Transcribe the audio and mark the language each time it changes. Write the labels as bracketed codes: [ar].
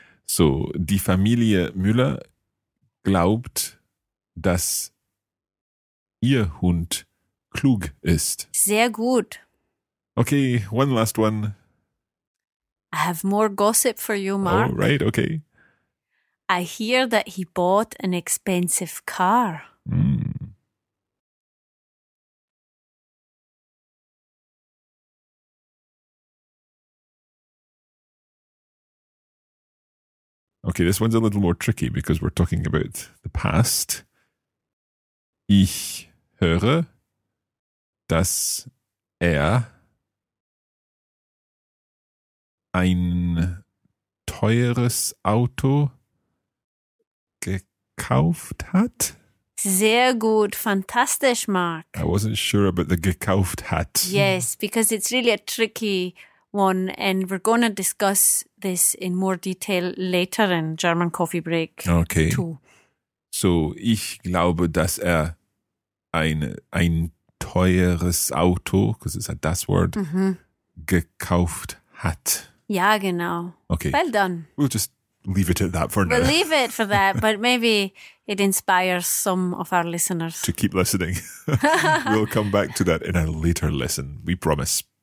[de] So, die Familie Müller glaubt, dass ihr Hund klug ist. Sehr gut. [en] Okay, one last one. I have more gossip for you, Mark. Oh, right, okay. I hear that he bought an expensive car. Mm. Okay, this one's a little more tricky because we're talking about the past. [de] Ich höre, dass ein teures Auto gekauft hat. Sehr gut, fantastisch, Mark. [en] I wasn't sure about the [de] gekauft hat. [en] Yes, because it's really a tricky one, and we're going to discuss this in more detail later in German Coffee Break. Okay. Two. [de] So, ich glaube, dass ein teures Auto, [en] because it's a das word, [de] gekauft hat. Ja, genau. [en] Okay. Well done. We'll just leave it at that for now. We'll leave it for that, but maybe it inspires some of our listeners to keep listening. We'll come back to that in a later lesson, we promise.